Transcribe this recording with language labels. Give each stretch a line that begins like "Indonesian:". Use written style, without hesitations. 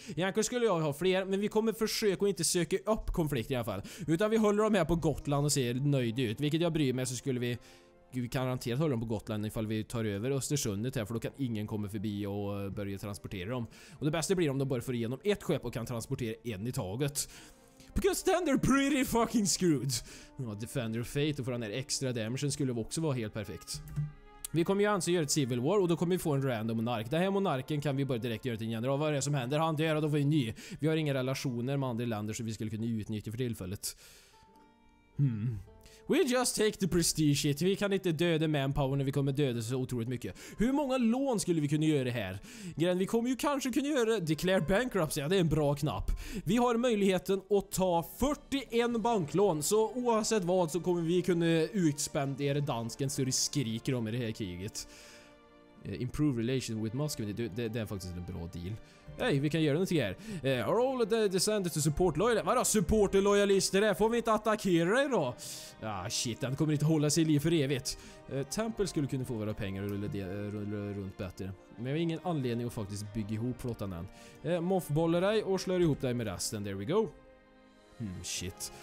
Swedish: Egentligen skulle jag ha fler. Men vi kommer försöka att inte söka upp konflikt i alla fall. Utan vi håller dem här på Gotland och ser nöjda ut. Vilket jag bryr mig, så skulle vi... Vi kan garanterat hålla dem på Gotland ifall vi tar över Östersundet här. För då kan ingen komma förbi och börja transportera dem. Och det bästa blir om de bara får igenom ett skepp och kan transportera en i taget.
English: Because then they're pretty fucking screwed.
Swedish: Ja, Defender of Fate och få den här extra damage skulle också vara helt perfekt. Vi kommer ju alltså göra ett civil war och då kommer vi få en random monark. Den här monarken kan vi bara direkt göra till en general. Vad är det som händer? Han dör och då får vi en ny. Vi har inga relationer med andra länder som vi skulle kunna utnyttja för tillfället.
English: We just take the prestige shit.
Swedish: Vi kan inte döda manpower när vi kommer döda så otroligt mycket. Hur många lån skulle vi kunna göra här? Grejen, vi kommer ju kanske kunna göra declare bankruptcy. Ja, det är en bra knapp. Vi har möjligheten att ta 41 banklån. Så oavsett vad så kommer vi kunna utspendera dansken så det skriker om i det här kriget.
English: Improve relation with Moscow.
Swedish: Det är faktiskt en bra deal. Hej, vi kan göra någonting här.
English: Are all the descended to support loyalists?
Swedish: Vadå, support loyalister? Får vi inte attackera dig då? Ah, shit, den kommer inte hålla sig i liv för evigt. Temple skulle kunna få våra pengar och rulla runt bättre. Men jag har ingen anledning att faktiskt bygga ihop flottan än. Moffbollar dig och slår ihop dig med resten.
English: There we go.
Swedish: Shit.